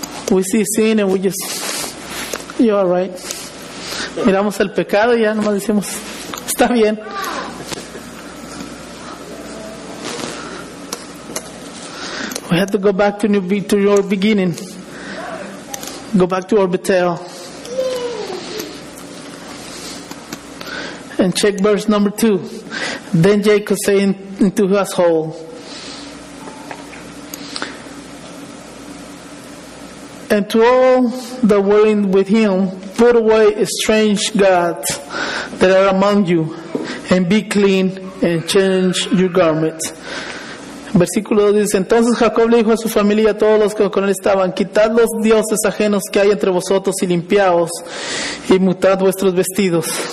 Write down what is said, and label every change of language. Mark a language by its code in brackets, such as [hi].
[en] We see sin and we just, you're right. [es] Miramos el pecado y ya nomás decimos, está bien. [en] We have to go back to your beginning. Go back to our Betel. And check verse number 2. Then Jacob said into his hole, and to all that were in with him, put away strange gods that are among you, and be clean, and change your garments. [es] Versículo 2 dice, entonces Jacob le dijo a su familia, a todos los que con él estaban, quitad los dioses ajenos que hay entre vosotros, y limpiaos, y mutad vuestros vestidos.